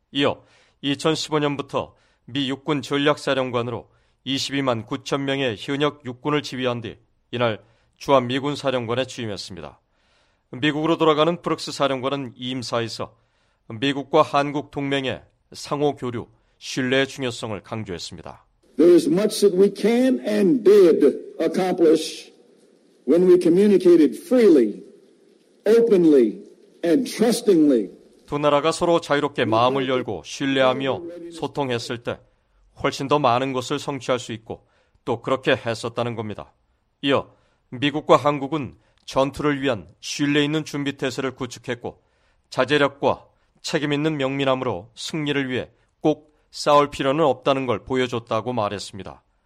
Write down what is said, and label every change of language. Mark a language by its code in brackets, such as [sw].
[ko] 이어 2015년부터 미 육군 전략사령관으로 22만 9천 명의 현역 육군을 지휘한 뒤 이날 주한미군 사령관에 취임했습니다. 미국으로 돌아가는 브룩스 사령관은 이임사에서 미국과 한국 동맹의 상호 교류, 신뢰의 중요성을 강조했습니다. [en] There is much that we can and did accomplish when we communicated freely, openly, and trustingly. [ko] 두 나라가 서로 자유롭게 마음을 열고 신뢰하며 소통했을 때 훨씬 더 많은 것을 성취할 수 있고 또 그렇게 했었다는 겁니다. 이어 미국과 한국은 전투를 위한 신뢰 있는 준비태세를 구축했고 자제력과 책임 있는 명민함으로 승리를 위해 꼭 싸울 필요는 없다는 걸 보여줬다고 말했습니다.